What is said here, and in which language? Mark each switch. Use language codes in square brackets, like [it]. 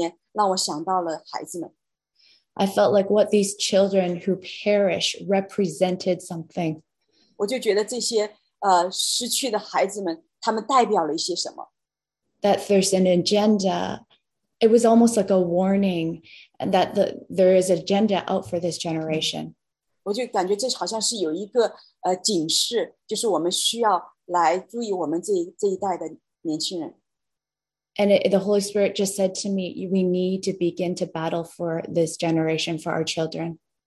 [zh] 那当时呢，圣灵就很深的来进到我的灵里面，让我想到了孩子们。I [en] felt like what these children who perish represented something. [zh] 我就觉得这些失去的孩子们，他们代表了一些什么。That [en] there's an agenda. It was almost like a warning that there is an agenda out for this generation. [zh] 我就感觉这好像是有一个警示，就是我们需要来注意我们这一代的年轻人。 [en] And the Holy Spirit just said to me, we need to begin to battle for this generation, for our children.